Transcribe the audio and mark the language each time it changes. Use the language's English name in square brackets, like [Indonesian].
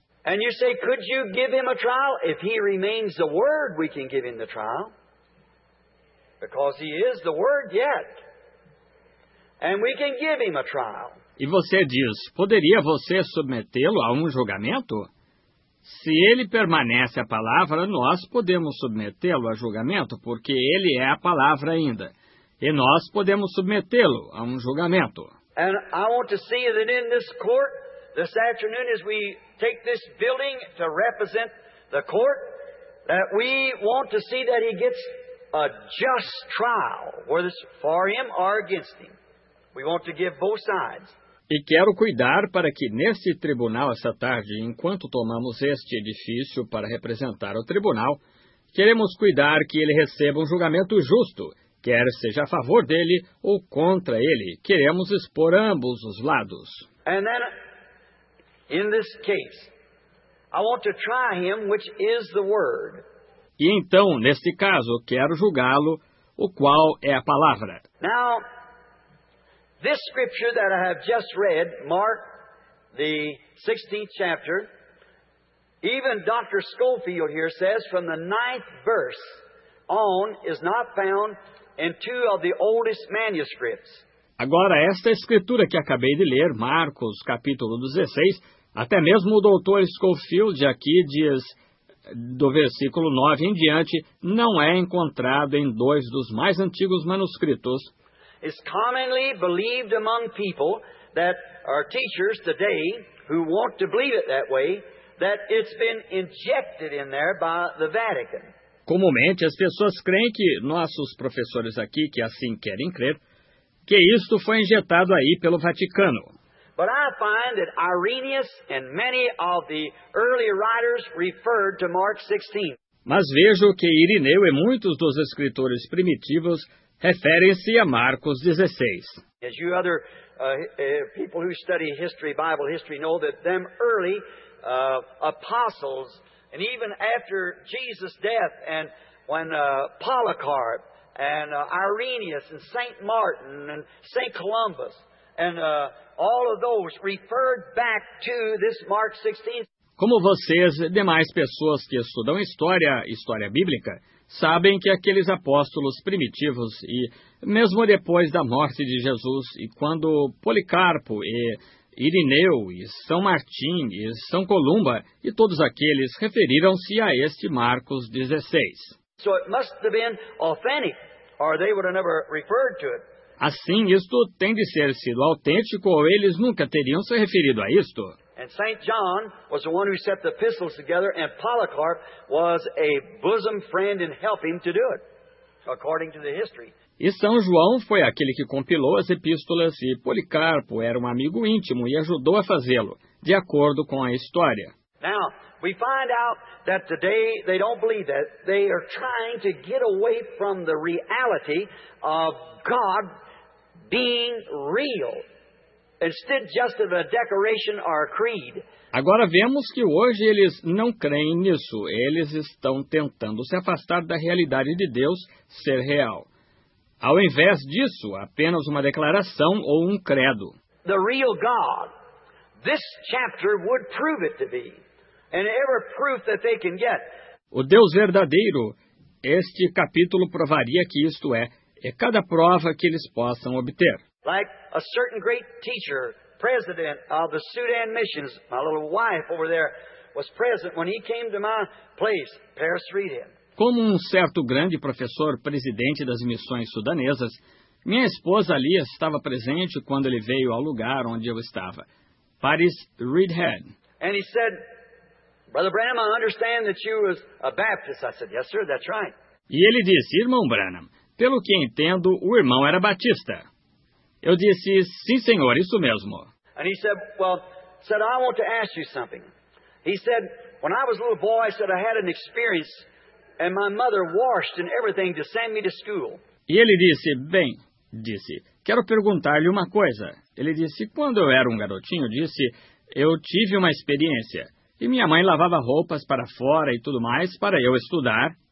[English] And you say, could you give him a trial? If he remains the Word, we can give him the trial. Because he is the Word yet. And we can give him a trial. [Portuguese] E você diz, poderia você submetê-lo a um julgamento? Se ele permanece a palavra, nós podemos submetê-lo a julgamento, porque ele é a palavra ainda. E nós podemos submetê-lo a um julgamento. [English] And I want to see that in this court, this afternoon, as we take this building to represent the court, that we want to see that he gets a just trial, whether it's for him or against him. We want to give both sides. [Portuguese] E quero cuidar para que neste tribunal, essa tarde, enquanto tomamos este edifício para representar o tribunal, queremos cuidar que ele receba um julgamento justo, quer seja a favor dele ou contra ele. Queremos expor ambos os lados. [English] And then, in this case, I want to try him, which is the word. [Portuguese] E então, neste caso, quero julgá-lo, o qual é a palavra. [English] Now, this scripture that I have just read, Mark, the 16th chapter, even Dr. Schofield here says from the 9th verse on is not found in two of the oldest manuscripts. [Portuguese] Agora, esta escritura que acabei de ler, Marcos, capítulo 16, até mesmo o Dr. Schofield aqui diz, do versículo 9 em diante, não é encontrado em dois dos mais antigos manuscritos. [English] It's commonly believed among people that are teachers today who want to believe it that way, that it's been injected in there by the Vatican. [Portuguese] Comumente, as pessoas creem que nossos professores aqui, que assim querem crer, que isto foi injetado aí pelo Vaticano. [English] But I find that Irenaeus and many of the early writers referred to Mark 16. [Portuguese] Mas vejo que Irineu e muitos dos escritores primitivos referem-se a Marcos 16. [English] As you other people who study history, Bible history, know that them early apostles, and even after Jesus' death, and when Polycarp, and Irenaeus, and St. Martin, and St. Columbus, and all of those referred back to this Mark 16. [Portuguese] Como vocês, demais pessoas que estudam história bíblica, sabem que aqueles apóstolos primitivos, e mesmo depois da morte de Jesus, e quando Policarpo e Irineu e São Martim e São Columba e todos aqueles referiram-se a este Marcos 16. [English] So it must have been authentic, or they would have never referred to it. [Portuguese] Assim, isto tem de ser sido autêntico ou eles nunca teriam se referido a isto. [English] And St. John was the one who set the epistles together, and Polycarp was a bosom friend in helping to do it, according to the history. [Portuguese] E São João foi aquele que compilou as epístolas, e Policarpo era um amigo íntimo e ajudou a fazê-lo, de acordo com a história. [English] Now, we find out that today they don't believe that. They are trying to get away from the reality of God being real. Instead just of a decoration or a creed. [Portuguese] Agora vemos que hoje eles não creem nisso. Eles estão tentando se afastar da realidade de Deus ser real. Ao invés disso, apenas uma declaração ou um credo. [English] The real God. This chapter would prove it to be. And every proof that they can get. [Portuguese] O Deus verdadeiro, este capítulo provaria que isto é. É cada prova que eles possam obter. [English] Like a certain great teacher, president of the Sudan Missions, my little wife over there, was present when he came to my place, Paris Reading. [Portuguese] Como certo grande professor, presidente das missões sudanesas, minha esposa ali estava presente quando ele veio ao lugar onde eu estava, Paris Reading. [English] And he said, Brother Branham, I understand that you was a Baptist. I said, yes, sir, that's right. [Portuguese] E ele disse, Irmão Branham, pelo que entendo, o irmão era batista. Eu disse, sim, senhor, isso mesmo. [English] And he said, well, said, I want to ask you something. He said, when I was a little boy, I said, I had an experience, and my mother washed and everything to send me to school. [Portuguese] E ele disse, bem, disse, quero perguntar-lhe uma coisa. Ele disse, quando eu era um garotinho, disse, eu tive uma experiência, e minha mãe lavava roupas para fora e tudo mais para eu estudar.